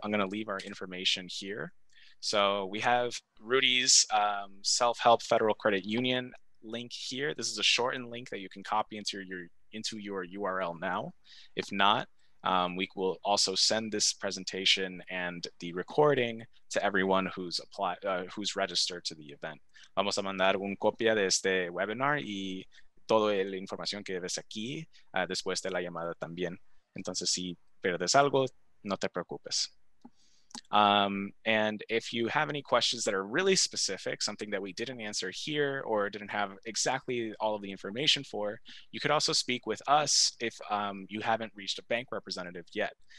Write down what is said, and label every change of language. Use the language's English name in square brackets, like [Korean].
[English] I'm going to leave our information here. So we have Rudy's Self-Help Federal Credit Union link here. This is a shortened link that you can copy into your URL now. If not, we will also send this presentation and the recording to everyone who's who's registered to the event. [Spanish] Vamos a mandar un copia de este webinar y toda la información que ves aquí después de la llamada también. Entonces, si pierdes algo, no te preocupes. [English] And if you have any questions that are really specific, something that we didn't answer here or didn't have exactly all of the information for, you could also speak with us if you haven't reached a bank representative yet.